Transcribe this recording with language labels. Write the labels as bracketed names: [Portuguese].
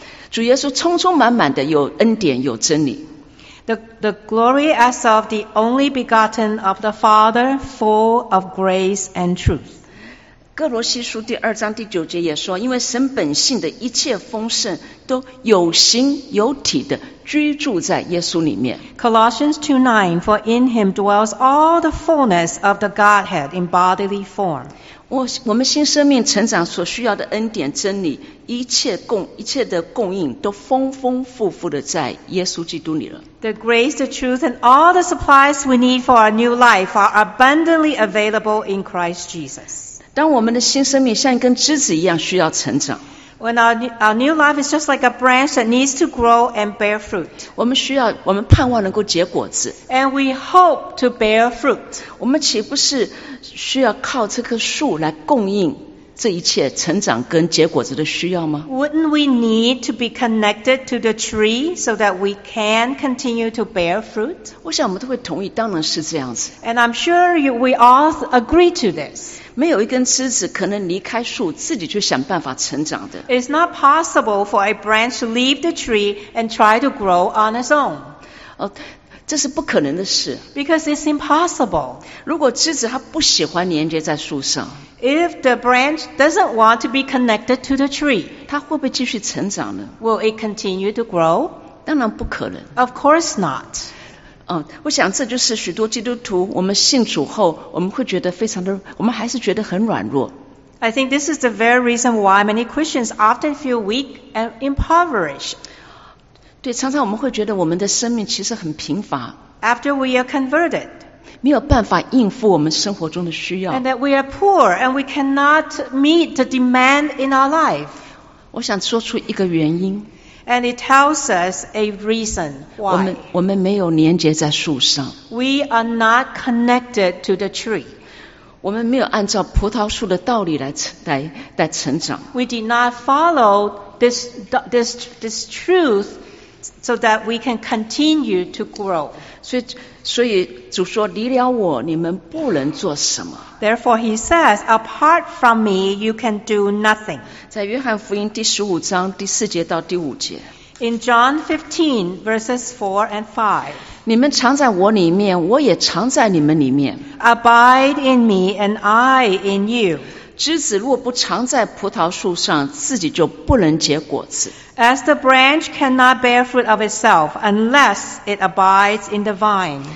[Chinese] 主耶稣充充满满的有恩典有真理。 [English] The glory as of the only begotten of the Father, full of grace and truth. [Chinese] 哥罗西书第二章第九节也说，因为神本性的一切丰盛都有形有体的居住在耶稣里面。 [English] Colossians 2:9, for in him dwells all the fullness of the Godhead in bodily form. [Chinese] 我们新生命成长所需要的恩典真理，一切的供应都丰丰富富的在耶稣基督里了。 [English] The grace, the truth, and all the supplies we need for our new life are abundantly available in Christ Jesus. [Chinese] 当我们的新生命像一根枝子一样需要成长。 [English] When our new life is just like a branch that needs to grow and bear fruit. [Chinese] 我们盼望能够结果子。 [English] And we hope to bear fruit. [Chinese] 我们岂不是需要靠这棵树来供应这一切成长跟结果子的需要吗？ [English] Wouldn't we need to be connected to the tree so that we can continue to bear fruit? [Chinese] 我想我们都会同意，当然是这样子。 [English] And I'm sure we all agree to this. [Chinese] 没有一根枝子可能离开树自己去想办法成长的。 [English] It's not possible for a branch to leave the tree and try to grow on its own. [Chinese] 这是不可能的事。 [English] Because it's impossible. [Chinese] 如果枝子它不喜欢连接在树上， [English] If the branch doesn't want to be connected to the tree, [Chinese] 它会不会继续成长呢？ [English] Will it continue to grow? [Chinese] 当然不可能。 [English] Of course not. [Chinese] 我想这就是许多基督徒我们信主后我们会觉得非常的我们还是觉得很软弱。 [English] I think this is the very reason why many Christians often feel weak and impoverished. [Chinese] 对，常常我们会觉得我们的生命其实很贫乏。 [English] After we are converted. [Chinese] 没有办法应付我们生活中的需要。 [English] And that we are poor and we cannot meet the demand in our life. [Chinese] 我想说出一个原因。 [English] And it tells us a reason why. [Chinese] 我们没有连接在树上。 [English] We are not connected to the tree. [Chinese] 我们没有按照葡萄树的道理来成长。 [English] We did not follow this truth so that we can continue to grow. [Chinese] 所以主说，离了我，你们不能做什么。 [English] Therefore, he says, apart from me, you can do nothing. [Chinese] 在约翰福音第十五章第四节到第五节。 [English] In John 15, verses 4 and 5. [Chinese] 你们常在我里面，我也常在你们里面。 [English] Abide in me, and I in you. [Chinese] 枝子若不常在葡萄树上，自己就不能结果子。 [English] As the branch cannot bear fruit of itself unless it abides in the vine.